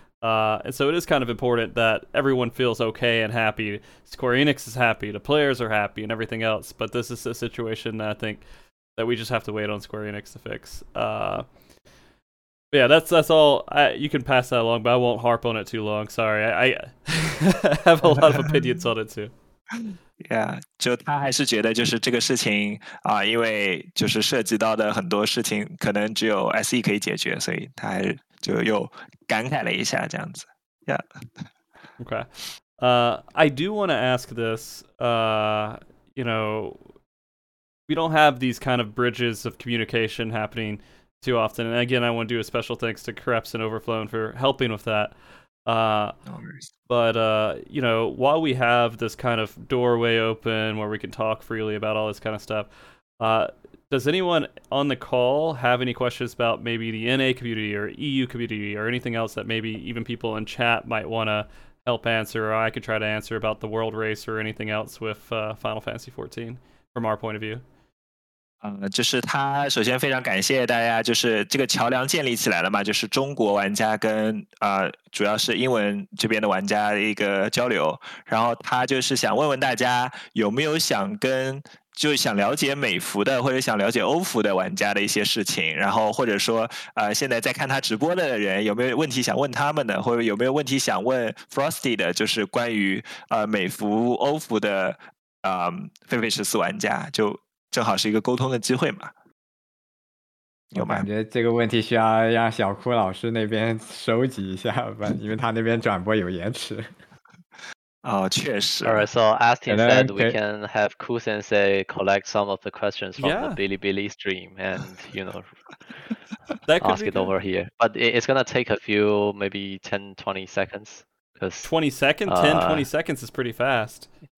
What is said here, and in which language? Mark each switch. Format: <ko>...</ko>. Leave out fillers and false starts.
<en>And so it is kind of important that everyone feels okay and happy. Square Enix is happy, the players are happy and everything else. But this is a situation that I think that we just have to wait on Square Enix to fix. Yeah, that's all. You can pass that along, but I won't harp on it too long. Sorry, I have a lot of opinions on it too.</en> <zh>Yeah, 就他还是觉得就是这个事情啊，因为就是涉及到的很多事情，可能只有 SE 可以解决，所以他还就又感慨了一下这样子。</zh> <en>Yeah. Okay. I do want to ask this. You know, we don't have these kind of bridges of communication happening. Too often. And again, I want to do a special thanks to Kreps and Overflown for helping with that. You know, while we have this kind of doorway open where we can talk freely about all this kind of stuff, does anyone on the call have any questions about maybe the NA community or EU community or anything else that maybe even people in chat might want to help answer, or I could try to answer about the world race or anything else with Final Fantasy XIV from our point of view?</en> <zh>就是他首先非常感谢大家，就是这个桥梁建立起来了嘛，就是中国玩家跟主要是英文这边的玩家的一个交流。然后他就是想问问大家有没有想跟就想了解美服的或者想了解欧服的玩家的一些事情，然后或者说现在在看他直播的人有没有问题想问他们的，或者有没有问题想问 Frosty 的，就是关于美服欧服的狒狒十四玩家就。正好是一个沟通的机会嘛，有吗？我感觉这个问题需要让小库老师那边收集一下吧，因为他那边转播有延迟。哦，确实。</zh> <en>Alright, so Astin said we can have Ku Sensei collect some of the questions from the Bilibili stream and you know ask it over here. But it's gonna take a few, maybe 10-20 seconds. Because 20 seconds, 10-20 seconds is pretty fast.</en>